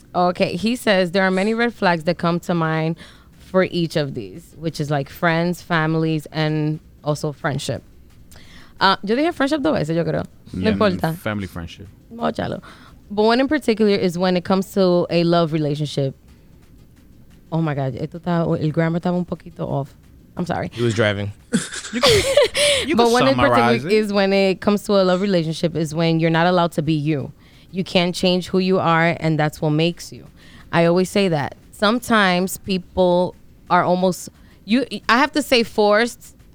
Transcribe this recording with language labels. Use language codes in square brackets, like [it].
[en] Okay, he says, there are many red flags that come to mind for each of these, which is like friends, families, and also friendship. [es] Yo dije friendship dos veces, yo creo. No importa. [en] Family friendship. [es] Mochalo. [en] But one in particular is when it comes to a love relationship. [es] Oh my God, esto está, el grammar estaba un poquito off. [en] I'm sorry. He was driving. Is when it comes to a love relationship is when you're not allowed to be you. You can't change who you are and that's what makes you. I always say that. Sometimes people are almost, forced.